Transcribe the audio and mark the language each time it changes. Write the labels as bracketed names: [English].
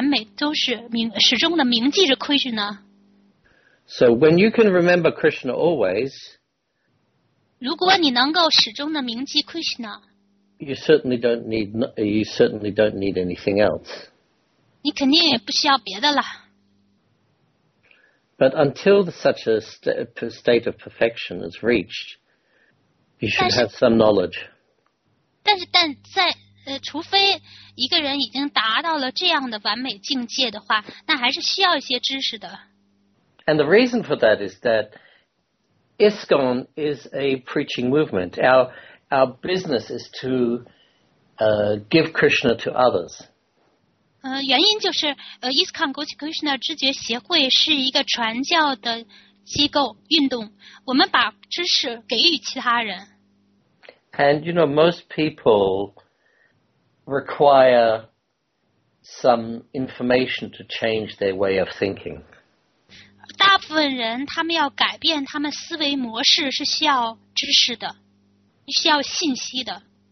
[Chinese] 因为据说呢，所有知识的最终的结论，始终的完美，都是始终的铭记着Krishna。 [English] So when you can remember Krishna always, [Chinese] 如果你能够始终的铭记Krishna, [English] you certainly don't need anything else. [Chinese] 你肯定也不需要别的了。 [English] But until such a state of perfection is reached, you should have some knowledge. [Chinese] 但除非一个人已经达到了这样的完美境界的话，那还是需要一些知识的。 [English] And the reason for that is that ISKCON is a preaching movement. Our business is to give Krishna to others. [Chinese] 原因就是ISKCON Gopi Krishna 知觉协会是一个传教的机构运动，我们把知识给予其他人。 [English] And you know, most people require some information to change their way of thinking. [Chinese] 大部分人他们要改变他们思维模式是需要知识的，需要信息的。